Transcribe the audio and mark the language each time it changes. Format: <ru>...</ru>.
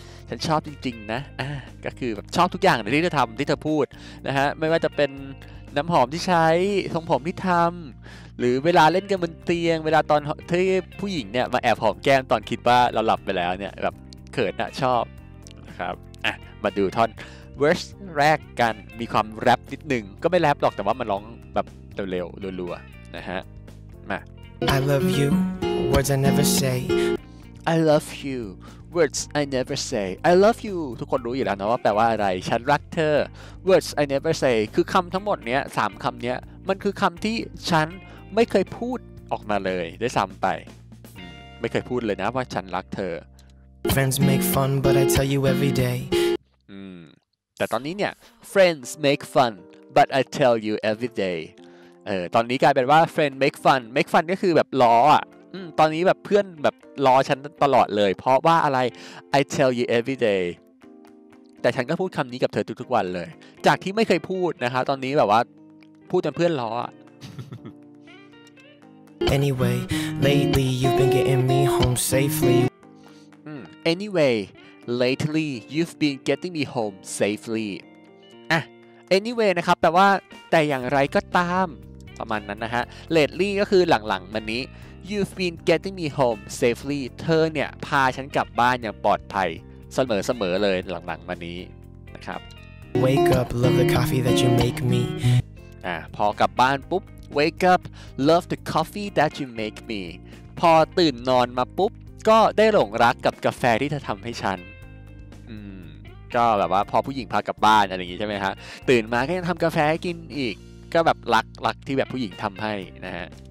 <th>ฉันชอบจริงๆนะก็คือแบบชอบทุกอย่างที่เธอทำที่เธอพูดนะฮะไม่ว่าจะเป็นน้ำหอมที่ใช้ทรงผมที่ทำหรือเวลาเล่นกันบนเตียงเวลาตอนที่ผู้หญิงเนี่ยมาแอบหอมแก้มตอนคิดว่าเราหลับไปแล้วเนี่ยแบบเขินนะชอบครับอ่ะมาดูท่อนเวอร์สแรกกันมีความแรปนิดนึงก็ไม่แรปหรอกแต่ว่ามันร้องแบบเร็วๆรัวๆนะฮะมา</th> <en>I love you words I never say I love you words I never say</en> <th>I love you ทุกคนรู้อยู่แล้วนะว่าแปลว่าอะไรฉันรักเธอ</th> <en>words I never say</en> <th>คือคำทั้งหมดเนี้ย3คำเนี้ยมันคือคำที่ฉันไม่เคยพูดออกมาเลยได้ซ้ำไปไม่เคยพูดเลยนะว่าฉันรักเธอ</th> <en>Friends make fun but I tell you every day</en> <th>แต่ตอนนี้เนี่ย</th> <en>Friends make fun but I tell you every day</en> <th>ตอนนี้กลายเป็นว่า</th> <en>friend make fun make fun</en> <th>ก็คือแบบล้ออ่ะตอนนี้แบบเพื่อนแบบรอฉันตลอดเลยเพราะว่าอะไร</th> <en>I tell you every day</en> <th>แต่ฉันก็พูดคำนี้กับเธอทุกๆวันเลยจากที่ไม่เคยพูดนะคะตอนนี้แบบว่าพูดจนเพื่อนร อ</th> <en>Anyway lately you've been getting me home safely Anyway lately you've been getting me home safely</en> <th>Anyway นะครับแปลว่าแต่อย่างไรก็ตามประมาณนั้นนะฮะ lately ก็คือหลังๆมานี้</th> <en>You've been getting me home safely</en> <th>เธอเนี่ยพาฉันกลับบ้านอย่างปลอดภัยเสมอๆเลยหลังๆมานี้นะครับ</th> <en>Wake up love the coffee that you make me</en> <th>พอกลับบ้านปุ๊บ</th> <en>Wake up love the coffee that you make me</en> <th>พอตื่นนอนมาปุ๊บก็ได้หลงรักกับกาแฟที่เธอทำให้ฉันก็แบบว่าพอผู้หญิงพากลับบ้านอะไรอย่างงี้ใช่ไหมฮะตื่นมาก็ยังทำกาแฟกินอีกก็แบบรักที่แบบผู้หญิงทำให้นะฮะ</th>